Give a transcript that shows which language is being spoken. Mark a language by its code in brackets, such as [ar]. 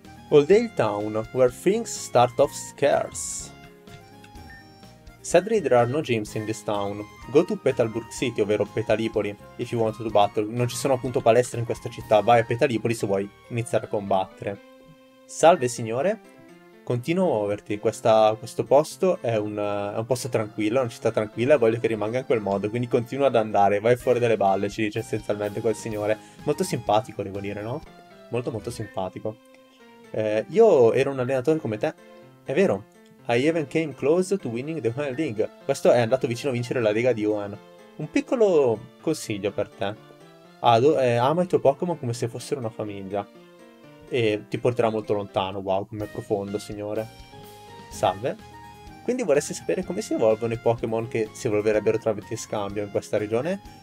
[en] Oldale Town, where things start off scarce. Sadly, there are no gyms in this town. Go to Petalburg City, [it] ovvero [en] Petalipoli, if you want to battle. [it] Non ci sono appunto palestre in questa città, vai a Petalipoli se vuoi iniziare a combattere. Salve signore, continuo a muoverti. Questo posto è un posto tranquillo, è una città tranquilla e voglio che rimanga in quel modo, quindi continua ad andare, vai fuori dalle balle, ci dice essenzialmente quel signore. Molto simpatico, devo dire, no? Molto molto simpatico. Io ero un allenatore come te, è vero? [en] I even came close to winning the Hoenn League. [it] Questo è andato vicino a vincere la Lega di Hoenn. Un piccolo consiglio per te. Ama i tuoi Pokémon come se fossero una famiglia. E ti porterà molto lontano. Wow, com'è profondo, signore. Salve. Quindi vorresti sapere come si evolvono i Pokémon che si evolverebbero tramite scambio in questa regione?